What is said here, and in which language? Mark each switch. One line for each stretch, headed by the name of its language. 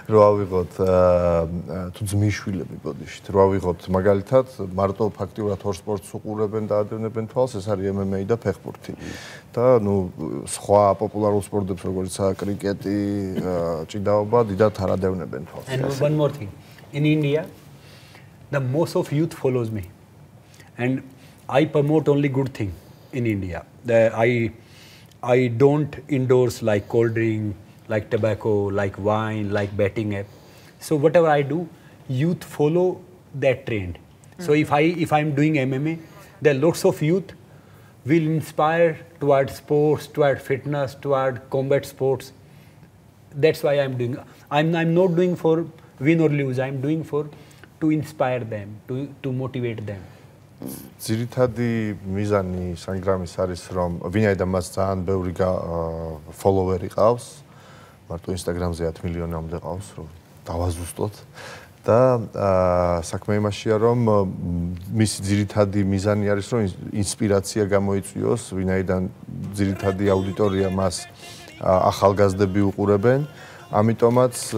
Georgian: რო ავიღოთ, თუ ძმიშვილები ბოდიშით, რო ავიღოთ მაგალითად, მარტო ფაქტიურად ორ სპორტს უყურებენ და ადევნებენ თვალს, ეს არის MMA და ფეხბურთი. და ნუ სხვა პოპულარულ სპორტებს, როგორიცაა კრიკეტი, ჭიდაობა, დიდათ არ ადევნებენ თვალს.
English: And one more thing. In India, the most of youth follows me. And I promote only good thing in India. I don't endorse like cold drink, like tobacco, like wine, like betting app. So whatever I do, youth follow that trend. So if I'm doing MMA, there are lots of youth will inspire towards sports, towards fitness, towards combat sports. That's why I'm doing. I'm not doing for win or lose. I'm doing for to inspire them, to motivate them.
Georgian: ძირითადი მიზანი სანგრამის არის რომ ვინაიდან მას ძალიან ბევრი ფოლოვერი ყავს მარტო ინსტაგრამზე 10 მილიონამდე ყავს რომ დავაზუსტოთ და საქმე იმაშია რომ მის ძირითადი მიზანი არის რომ ინსპირაცია გამოიწვიოს ვინაიდან ძირითადი აუდიტორია მას ახალგაზრდები უყურებენ ამიტომაც